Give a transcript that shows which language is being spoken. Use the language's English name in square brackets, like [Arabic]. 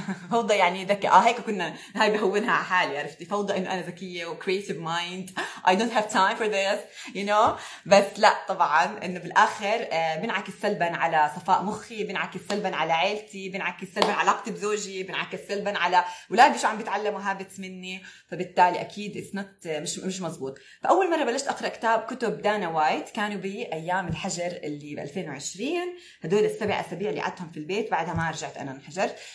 [Arabic] فوضى يعني ذكي. هيك كنا هاي بهونها على حالي، عرفتي فوضى انه انا ذكيه [English] وكرييتيف mind I don't have time for this, you know. [Arabic] بس لا طبعا انه بالاخر بنعكس سلبا على صفاء مخي, بنعكس سلبا على عائلتي, بنعكس سلبا على علاقتي بزوجي, بنعكس سلبا على اولادي شو عم بيتعلموا هابتس مني. فبالتالي اكيد اثنت مش مزبوط. فاول مره بلشت اقرا كتب دانا وايت كانوا بايام الحجر اللي ب 2020, هدول السبع اسابيع اللي قعدتهم في البيت بعدها ما رجعت انا انحجرت.